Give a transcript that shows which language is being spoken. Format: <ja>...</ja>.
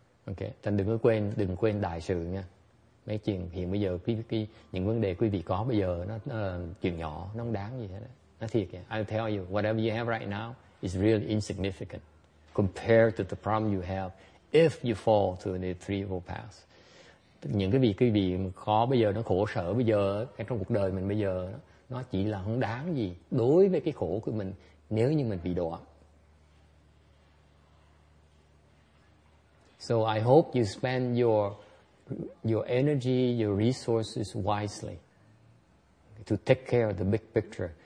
<vi>Okay, thành đừng quên đại sự nha. Mấy chuyện hiện bây giờ, cái những vấn đề quý vị có bây giờ nó chuyện nhỏ, nó không đáng gì hết. Nó thiệt kìa.</vi> <en>I'll tell you, whatever you have right now is really insignificant compared to the problem you have if you fall to the three evil paths.</en> <vi>Những cái việc quý vị khó bây giờ, nó khổ sở bây giờ, cái trong cuộc đời mình bây giờ, nó chỉ là không đáng gì đối với cái khổ của mình nếu như mình bị đọa.</vi> <en>So I hope you spend your energy, your resources wisely to take care of the big picture.</en>